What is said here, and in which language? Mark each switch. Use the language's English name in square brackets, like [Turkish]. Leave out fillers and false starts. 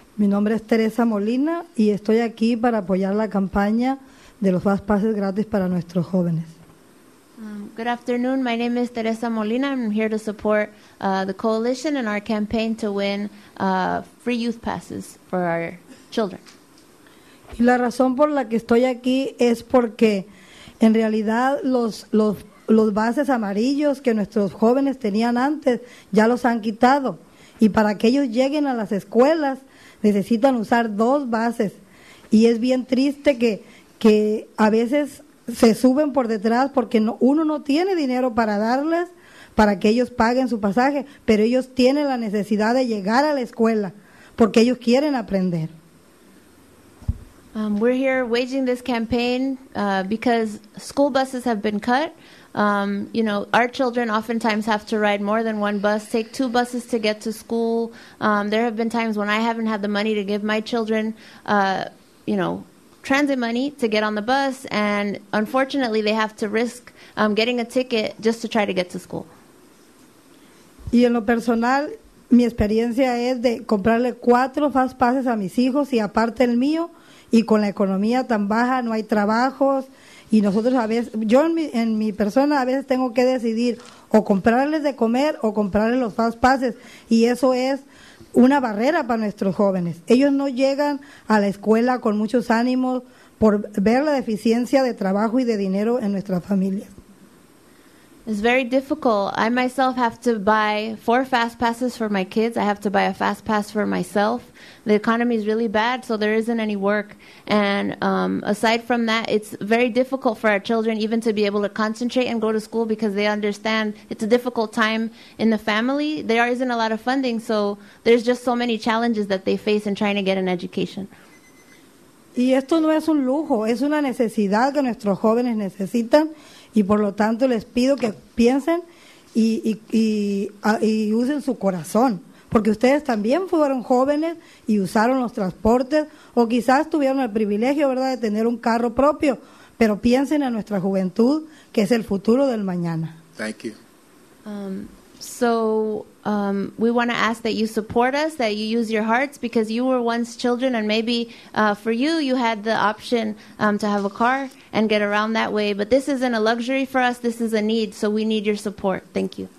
[Spanish] Mi nombre es Teresa Molina y estoy aquí para apoyar la campaña de los [English] bus passes [Spanish] gratis para nuestros jóvenes. [English] Good afternoon. My name is Teresa Molina. I'm here to support the coalition and our campaign to win free youth passes for our children. [Spanish] Y la razón por la que estoy aquí es porque en realidad los bases amarillos que nuestros jóvenes tenían antes ya los han quitado. Y para que ellos lleguen a las escuelas necesitan usar dos bases. Y es bien triste que a veces se suben por detrás porque uno no tiene dinero para darles, para que ellos paguen su pasaje, pero ellos tienen la necesidad de llegar a la escuela porque ellos quieren aprender. [English] We're here waging this campaign because school buses have been cut. You know, our children oftentimes have to ride more than one bus, take two buses to get to school. There have been times when I haven't had the money to give my children, you know, transit money to get on the bus, and unfortunately they have to risk getting a ticket just to try to get to school. [Spanish] Y en lo personal, mi experiencia es de comprarle cuatro fast passes a mis hijos y aparte el mío, y con la economía tan baja no hay trabajos, y nosotros a veces, yo en mi persona a veces tengo que decidir o comprarles de comer o comprarles los fast passes, y eso es una barrera para nuestros jóvenes. Ellos no llegan a la escuela con muchos ánimos por ver la deficiencia de trabajo y de dinero en nuestra familia. [English] It's very difficult. I myself have to buy four fast passes for my kids. I have to buy a fast pass for myself. The economy is really bad, so there isn't any work. And aside from that, it's very difficult for our children even to be able to concentrate and go to school because they understand it's a difficult time in the family. There isn't a lot of funding, so there's just so many challenges that they face in trying to get an education. [Spanish] Y esto no es un lujo, es una necesidad que nuestros jóvenes necesitan. Y por lo tanto les pido que piensen y usen su corazón, porque ustedes también fueron jóvenes y usaron los transportes, o quizás tuvieron el privilegio, ¿verdad?, de tener un carro propio, pero piensen en nuestra juventud, que es el futuro del mañana. [English] Thank you. We want to ask that you support us, that you use your hearts, because you were once children, and maybe for you, you had the option to have a car and get around that way. But this isn't a luxury for us. This is a need. So we need your support. Thank you.